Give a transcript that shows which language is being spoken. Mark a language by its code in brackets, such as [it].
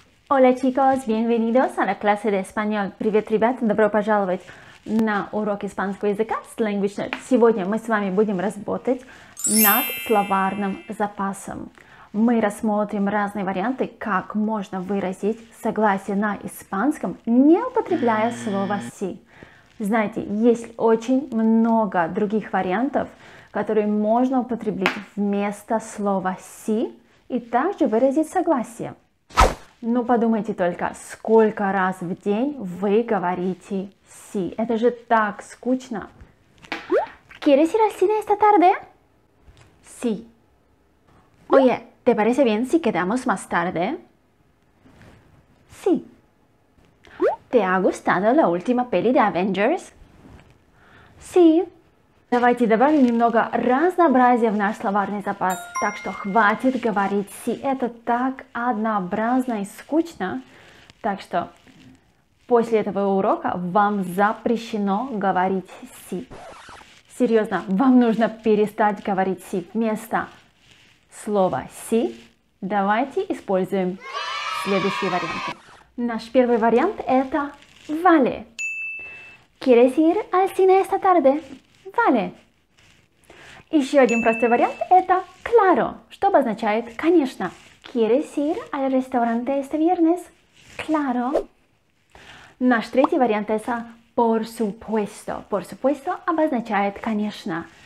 [es] Hola chicos, bienvenidos a la clase de español. [ru] Привет, ребят, добро пожаловать на урок испанского языка с Language Nerd. Сегодня мы с вами будем работать над словарным запасом. Мы рассмотрим разные варианты, как можно выразить согласие на испанском, не употребляя слово «си». Знаете, есть очень много других вариантов, которые можно употреблять вместо слова «си» и также выразить согласие. Ну, подумайте только, сколько раз в день вы говорите «си». Это же так скучно. [es] ¿Quieres ir al cine esta tarde? Sí. Oye, ¿te parece bien si quedamos más tarde? Sí. ¿Te ha gustado la última peli de Avengers? Sí. [ru] Давайте добавим немного разнообразия в наш словарный запас. Так что хватит говорить «си». Это так однообразно и скучно. Так что после этого урока вам запрещено говорить «си». Серьезно, вам нужно перестать говорить «си». Вместо слова «си» давайте используем следующие варианты. Наш первый вариант – это «vale». [es] ¿Quieres ir al cine esta tarde? Vale. [ru] Еще один простой вариант – это claro, что обозначает «конечно». [es] ¿Quieres ir al restaurante este viernes? Claro. [ru] Наш третий вариант – это «por supuesto». «Por supuesto» обозначает «конечно».